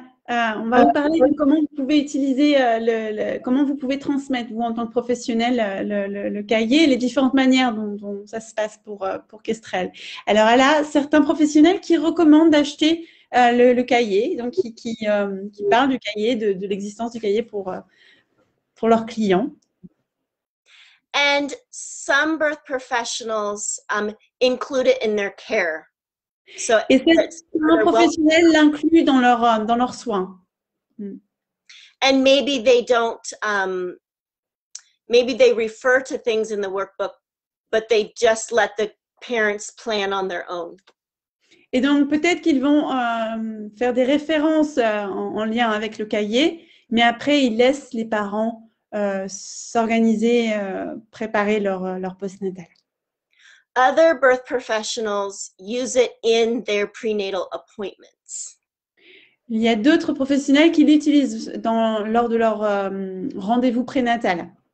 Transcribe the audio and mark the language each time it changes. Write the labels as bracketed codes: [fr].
[fr] On va parler de comment vous pouvez utiliser comment vous pouvez transmettre vous en tant que professionnel le cahier, les différentes manières dont ça se passe pour Kestrel. Alors elle a certains professionnels qui recommandent d'acheter le cahier, donc qui parlent du cahier, de l'existence du cahier pour leurs clients. [en] And some birth professionals include it in their care. [fr] So, et certains professionnels l'incluent dans leurs soins. [en] And maybe they don't, maybe they refer to things in the workbook, but they just let the parents plan on their own. [fr] Et donc peut-être qu'ils vont faire des références en lien avec le cahier, mais après ils laissent les parents s'organiser, préparer leur postnatal. [en] Other birth professionals use it in their prenatal appointments. [fr] Il y a d'autres professionnels qui l'utilisent lors de leur rendez-vous prénatal.